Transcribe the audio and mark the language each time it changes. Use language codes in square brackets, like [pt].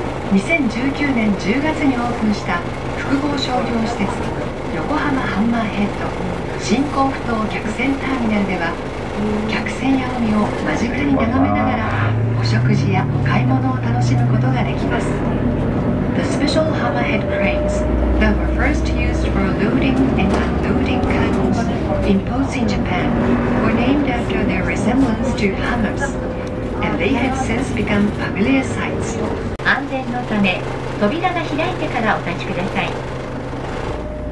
[ja] 2019年10月にオープンした複合商業施設横浜ハンマーヘッド新港ふ頭客船ターミナルでは、客船や海を間近に眺めながらお食事やお買い物を楽しむことができます。 [en] The special hammerhead cranes that were first used for loading and unloading cargo in ports in Japan were named after their resemblance to hammers and they have since become familiar sights. [ja] 安全のため扉が開いてからお立ちください。